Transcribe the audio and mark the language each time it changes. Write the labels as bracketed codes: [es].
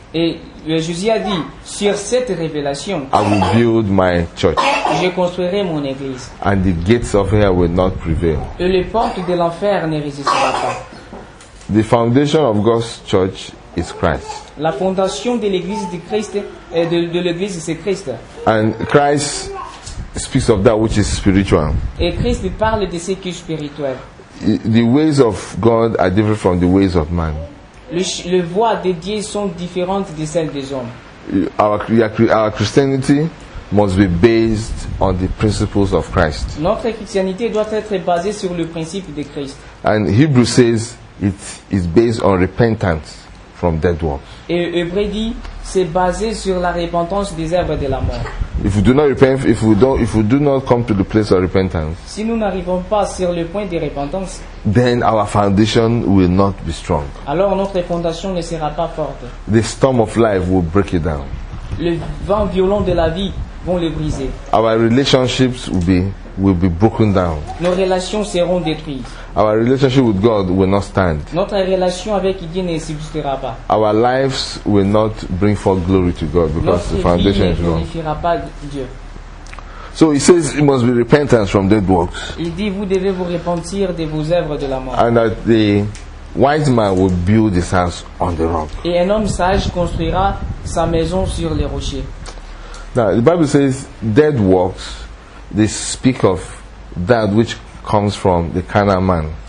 [fr] Et Jésus a dit, "Sur cette révélation." [en] I will build my church. [fr] Je construirai mon église. [en] And the gates of hell will not prevail. [fr] Et les portes de l'enfer ne résisteront pas. [en] The foundation of God's church is Christ. [fr] La fondation de l'église de Christ et de l'église c'est Christ. [en] And Christ speaks of that which is spiritual. [fr] Et Christ parle de ce qui est spirituel. [en] The ways of God are different from the ways of man. [fr] Les voies de Dieu sont différentes de celles des hommes. [en] Our Christianity must be based on the principles of Christ. [fr] Notre chrétienté doit être basée sur le principe de Christ. [en] And Hebrews says it is based on repentance from dead works. [fr] Et Hébreux dit c'est basé sur la repentance des œuvres de la mort. [en] If we do not repent, if we do not come to the place of repentance, [fr] si nous n'arrivons pas sur le point de repentance, [en] then our foundation will not be strong. [fr] Alors notre fondation ne sera pas forte. [en] The storm of life will break it down. [fr] Le vent violent de la vie vont le briser. [en] Our relationships will be broken down. [fr] Nos relations seront détruites. [en] Our relationship with God will not stand. [fr] Notre relation avec Dieu ne subsistera pas. [en] Our lives will not bring forth glory to God because [fr] notre [en] the foundation is wrong. [fr] Ne glorifiera pas Dieu. [en] So he says it must be repentance from dead works. [fr] Il dit vous devez vous repentir de vos œuvres de la mort. [en] And that the wise man will build his house on the rock. [fr] Et un homme sage construira sa maison sur les rochers. [en] Now the Bible says dead works. They speak of that which comes from the carnal man.